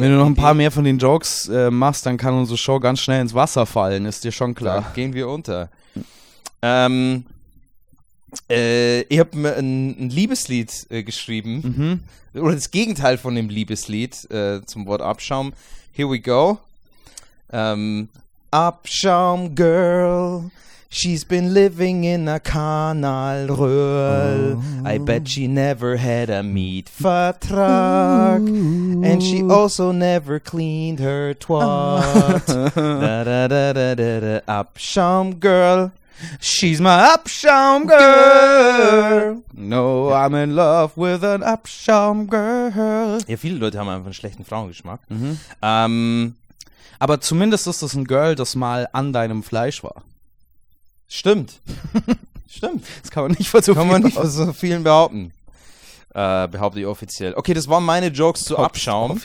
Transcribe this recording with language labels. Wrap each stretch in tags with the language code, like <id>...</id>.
<de>Wenn du noch ein paar mehr von den Jokes machst, dann kann unsere Show ganz schnell ins Wasser fallen, ist dir schon klar. Dann gehen wir unter. Ich habe mir ein Liebeslied geschrieben. Mhm. Oder das Gegenteil von dem Liebeslied zum Wort Abschaum.</de> <en>Here we go. Abschaum Girl. She's been living in a Kanalröhrl. Oh. I bet she never had a Mietvertrag. Ooh. And she also never cleaned her twat. Da-da-da-da-da-da. Abschaum girl. She's my Abschaum girl. No, I'm in love with an Abschaum girl.</en> <de>Ja, viele Leute haben einfach einen schlechten Frauengeschmack. Mhm. Aber zumindest ist das ein Girl, das mal an deinem Fleisch war. Stimmt. Stimmt. Das kann man nicht von so, so vielen behaupten. Behaupte ich offiziell. Okay, das waren meine Jokes zu Abschaum.</de>